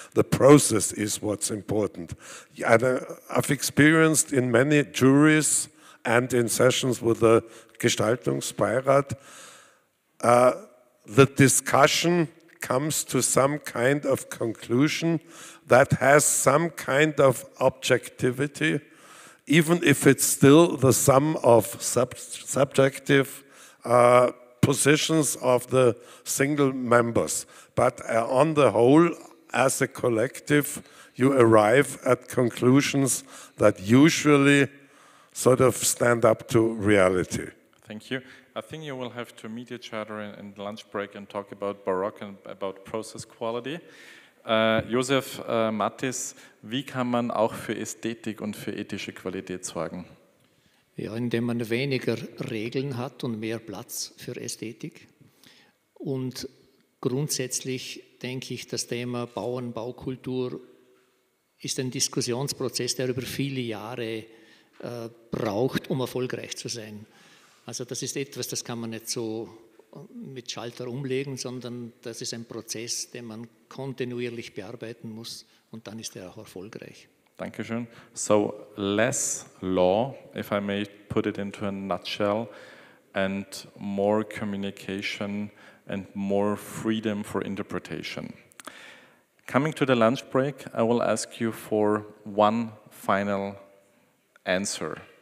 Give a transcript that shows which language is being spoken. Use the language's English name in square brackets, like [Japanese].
[English] The process is what's important. I've experienced in many juries and in sessions with the Gestaltungsbeirat, the discussion comes to some kind of conclusion that has some kind of objectivity, even if it's still the sum of subjective positions of the single members. But on the whole, as a collective, you arrive at conclusions that usually sort of stand up to reality. Thank you. I think you will have to meet each other in lunch break and talk about Baroque and about process quality. [German] Josef Mattis, wie kann man auch für Ästhetik und für ethische Qualität sorgen? Ja, indem man weniger Regeln hat und mehr Platz für Ästhetik. Und grundsätzlich denke ich, das Thema Bauernbaukultur ist ein Diskussionsprozess, der über viele Jahre braucht, um erfolgreich zu sein. Also das ist etwas, das kann man nicht so mit Schalter umlegen, sondern das ist ein Prozess, den man kontinuierlich bearbeiten muss und dann ist er auch erfolgreich. Dankeschön. [English] So, less law, if I may put it into a nutshell, and more communication and more freedom for interpretation. Coming to the lunch break, I will ask you for one final answer.